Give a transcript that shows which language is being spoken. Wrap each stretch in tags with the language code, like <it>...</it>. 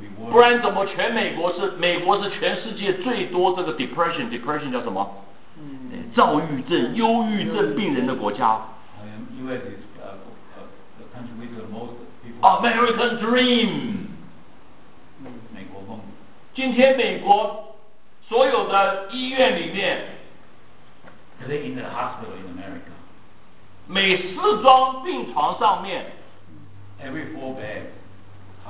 <zh>不然怎么全美国是美国是全世界最多这个 depression depression 叫什么？躁郁症、忧郁症病人的国家。</zh> <en>U.S. is the country with the most people. American Dream.</en> <zh>美国梦。今天美国所有的医院里面</zh> <en>，Today in the hospital in America，</en> <zh>每四张病床上面</zh> <en>，Every four beds。</en>